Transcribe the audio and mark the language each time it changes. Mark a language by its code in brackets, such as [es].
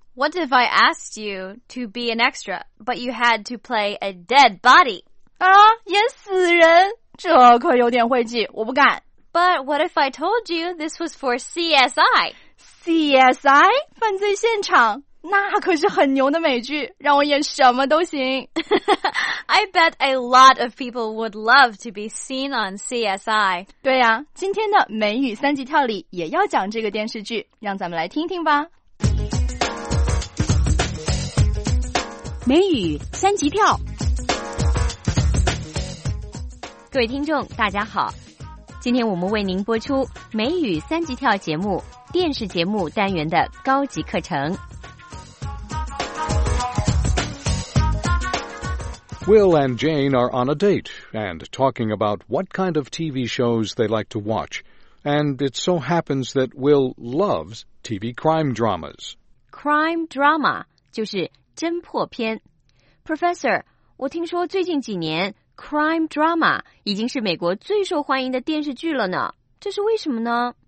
[en] What if I asked you to be an extra, but you had to play a dead body? [zh] 啊，演死人，这可有点晦气，我不敢。 [en] But what if I told you this was for CSI? CSI? [zh] 犯罪现场，那可是很牛的美剧，让我演什么都行。 [en] I bet a lot of people would love to be seen on CSI. [zh] 对呀，今天的美语三级跳里也要讲这个电视剧，让咱们来听听吧。美语三级跳。各位听众大家好，今天我们为您播出美语三级跳节目电视节目单元的高级课程。 [en] Will and Jane are on a date and talking about what kind of TV shows they like to watch, and it so happens that Will loves TV crime dramas. [zh] Crime drama 就是侦破片。Professor, 我听说最近几年 crime drama 已经是美国最受欢迎的电视剧了呢，这是为什么呢？